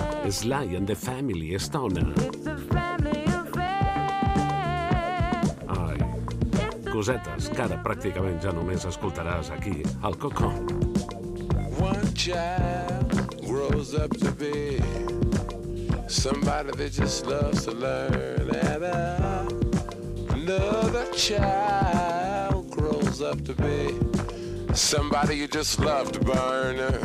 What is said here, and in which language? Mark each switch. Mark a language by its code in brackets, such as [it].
[en] Sly and the Family Stone. [ca] Ai, cosetes que ara pràcticament ja només escoltaràs aquí, al Coco. [en] One child grows up to be somebody that just loves to learn and another child grows up to be somebody you just love to burn.